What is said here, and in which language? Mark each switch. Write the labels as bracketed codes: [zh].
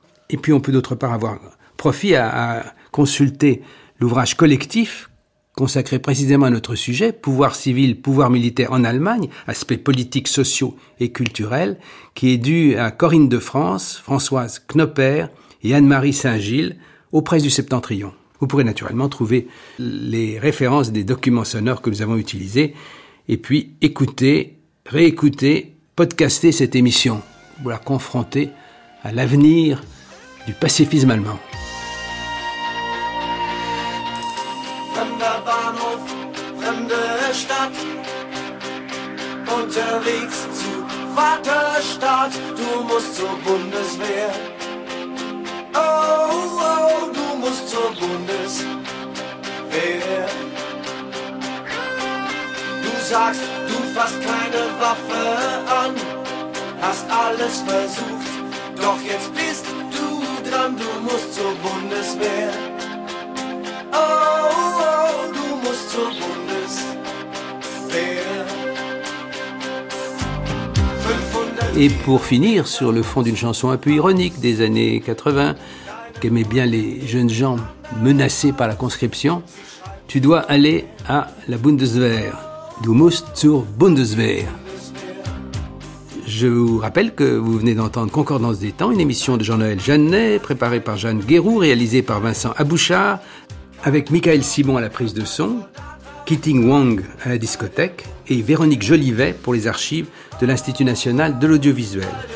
[fr] Et puis on peut d'autre part avoir profit à consulter l'ouvrage collectif consacré précisément à notre sujet, Pouvoir civil, pouvoir militaire en Allemagne, aspects politiques, sociaux et culturels, qui est dû à Corinne de France, Françoise Knopper et Anne-Marie Saint-Gilles, aux presses du Septentrion. Vous pourrez naturellement trouver les références des documents sonores que nous avons utilisés. Et puis écouter, réécouter, podcaster cette émission pour la confronter à l'avenir du pacifisme allemand. [de] Fremder Bahnhof, fremde Stadt, unterwegs zu Vaterstadt, du musst zur Bundeswehr. Oh, oh, du musst zur Bundeswehr. Sagst, du fasst keine Waffe an, hast alles versucht, doch jetzt bist du dran, du musst zur Bundeswehr. Oh, oh, du musst zur Bundeswehr. [fr] Et pour finir, sur le fond d'une chanson un peu ironique des années 80, qu'aimaient bien les jeunes gens menacés par la conscription, tu dois aller à la Bundeswehr. [de] Du musst zur Bundeswehr. [fr] Je vous rappelle que vous venez d'entendre Concordance des temps, une émission de Jean-Noël Jeannet, préparée par Jeanne Guéroux, réalisée par Vincent Abouchard, avec Michael Simon à la prise de son, Keating Wang à la discothèque et Véronique Jolivet pour les archives de l'Institut National de l'Audiovisuel.